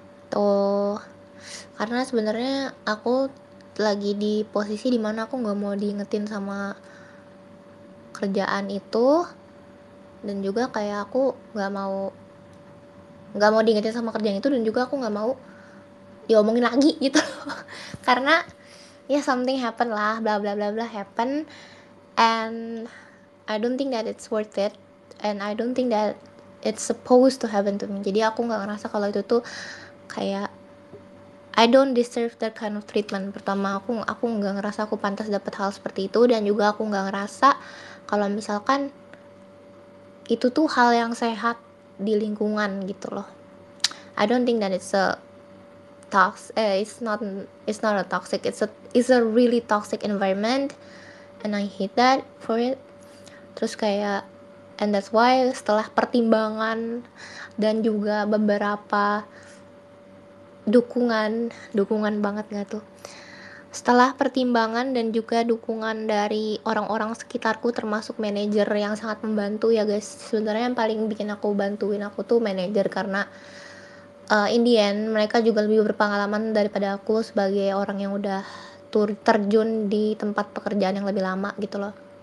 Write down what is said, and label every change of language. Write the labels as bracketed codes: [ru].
[id] Tuh, karena sebenarnya aku lagi di posisi dimana aku gak mau diingetin sama kerjaan itu. Dan juga kayak aku gak mau diingetin sama kerjaan itu, dan juga aku gak mau diomongin lagi gitu. Karena ya [en] something happen lah, bla bla bla bla happen, and I don't think that it's worth it, and I don't think that it's supposed to happen to me. [id] Jadi aku nggak ngerasa kalau itu tuh kayak [en] I don't deserve that kind of treatment. [id] Pertama, aku nggak ngerasa aku pantas dapat hal seperti itu, dan juga aku nggak ngerasa kalau misalkan itu tuh hal yang sehat di lingkungan gitu loh. [en] I don't think that it's a toxic. It's not a toxic. It's a really toxic environment, and I hate that for it. [id] Terus kayak, [en] and that's why [id] setelah pertimbangan dan juga beberapa dukungan banget gak tuh, setelah pertimbangan dan juga dukungan dari orang-orang sekitarku termasuk manajer yang sangat membantu ya guys, sebenarnya yang paling bikin aku bantuin aku tuh manajer, karena [en] in the end [id] mereka juga lebih berpengalaman daripada aku sebagai orang yang udah terjun di tempat pekerjaan yang lebih lama gitu loh.